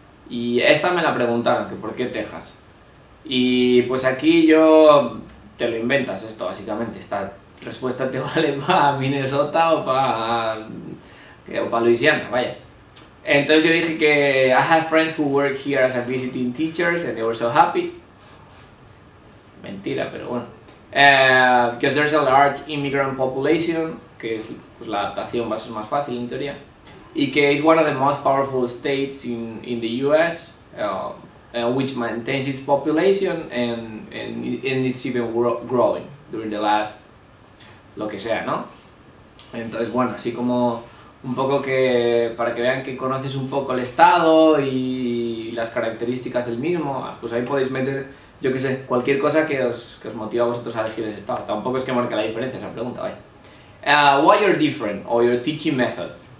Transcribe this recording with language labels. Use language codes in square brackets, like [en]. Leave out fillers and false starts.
[es] Y esta me la preguntaron, que por qué Texas. Y pues aquí yo te lo inventas esto básicamente, esta respuesta te vale para Minnesota o para Luisiana, vaya. Entonces yo dije que [en] I have friends who work here as a visiting teachers and they were so happy. [es] Mentira, pero bueno. [en] Because there's a large immigrant population, [es] que es pues, la adaptación va a ser más fácil en teoría. Y que [en] it's one of the most powerful states in the US, which maintains its population and it's even growing during the last, [es] lo que sea, ¿no? Entonces, bueno, así como un poco que para que vean que conoces un poco el estado y las características del mismo, pues ahí podéis meter, yo qué sé, cualquier cosa que os motiva a vosotros a elegir ese estado. Tampoco es que marque la diferencia esa pregunta, vaya. [en] Why you're different or your teaching method?